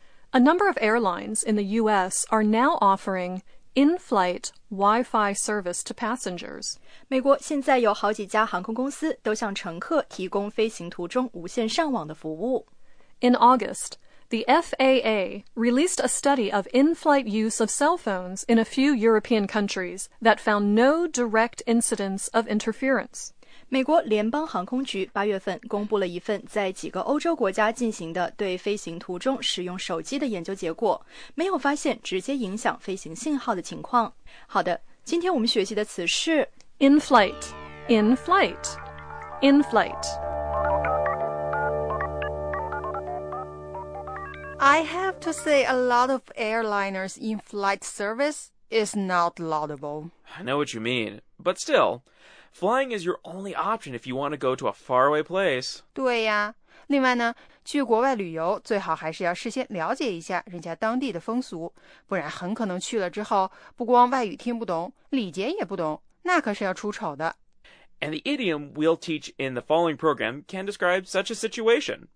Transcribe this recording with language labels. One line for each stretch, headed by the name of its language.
English: A number of airlines in the U.S. are now offering in flight Wi-Fi service to passengers.
Chinese: 美国现在有好几家航空公司都向乘客提供飞行途中无线上网的服务。
English: In August, the FAA released a study of in-flight use of cell phones in a few European countries that found no direct incidents of interference.
Chinese: 美国联邦航空局八月份公布了一份在几个欧洲国家进行的对飞行途中使用手机的研究结果，没有发现直接影响飞行信号的情况。好的，今天我们学习的词是
English: In flight, in flight, in flight. I have to say a lot of airliners in flight service is not laudable. I know what you mean, but still, flying is your only option if you want to go to a faraway place.
Chinese: 对呀，另外呢，去国外旅游最好还是要事先了解一下人家当地的风俗，不然很可能去了之后，不光外语听不懂，礼节也不懂。那可是要出丑的。
English: And the idiom we'll teach in the following program can describe such a situation.